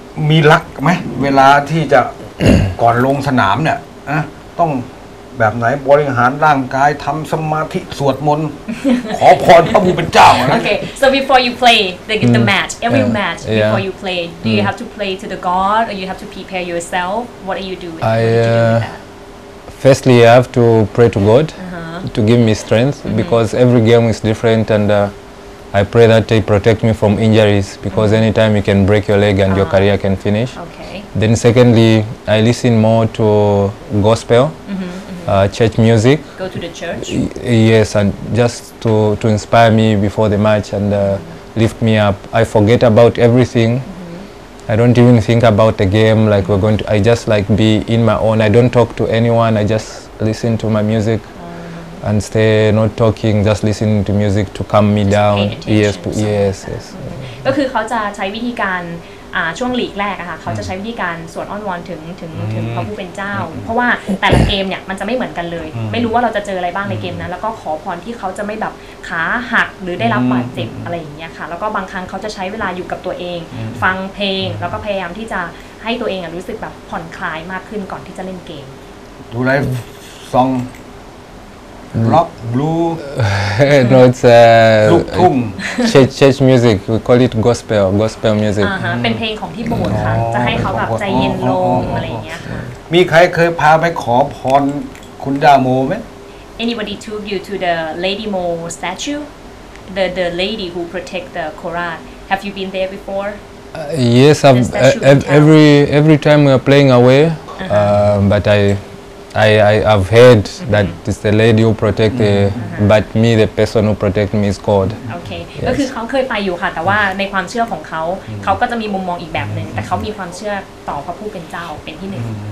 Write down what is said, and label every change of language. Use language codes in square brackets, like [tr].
[th] มีลักไหมเวลาที่จะก่อนลงสนามเนี่ยต้องแบบไหนบริหารร่างกายทำสมาธิสวดมนต์ขอพรพระผู้เป็นเจ้าน [en] ะ Okay so before you play the match every match before you play do you have to play to the God or you have to prepare yourself what are you doing I do that? firstly I have to pray to God to give me strength because every game is different and I pray that they protect me from injuries because anytime you can break your leg and your career can finish. Okay. Then secondly, I listen more to gospel, church music. Go to the church? Yes, and just to inspire me before the match and lift me up. I forget about everything. I don't even think about the game, like we're going to, I just like be in my own. I don't talk to anyone, I just listen to my music. And stay not talking, just listening to music to calm me down. Yes, yes, yes. [th] ก็คือเขาจะใช้วิธีการช่วงลีกแรกอะค่ะเขาจะใช้วิธีการสวดอ้อนวอนถึงพระผู้เป็นเจ้าเพราะว่าแต่ละเกมเนี่ยมันจะไม่เหมือนกันเลยไม่รู้ว่าเราจะเจออะไรบ้างในเกมนั้นแล้วก็ขอพรที่เขาจะไม่แบบขาหักหรือได้รับบาดเจ็บอะไรอย่างเงี้ยค่ะแล้วก็บางครั้งเขาจะใช้เวลาอยู่กับตัวเองฟังเพลงแล้วก็พยายามที่จะให้ตัวเองรู้สึกแบบผ่อนคลายมากขึ้นก่อนที่จะเล่นเกม [en] Do I songRock, blue, no, it's church music. We call it gospel music. [th] เป็นเพลงของที่โบสถ์ค่ะจะให้เขาแบบใจเย็นลงอะไรอย่างเงี้ยค่ะ มีใครเคยพาไปขอพรคุณดาโมไหม [en] Anybody took you to the Lady Mo statue, the lady who protect the Korat? Have you been there before? Yes, I've every time we are playing away, but I have heard that it's the lady who protect but me the person who protect me is God. Okay. [th] ก็คือเขาเคยไปอยู่ค่ะแต่ว่าในความเชื่อของเขาเขาก็จะมีมุมมองอีกแบบนึงแต่เขามีความเชื่อต่อพระผู้เป็นเจ้าเป็นที่หนึ่ง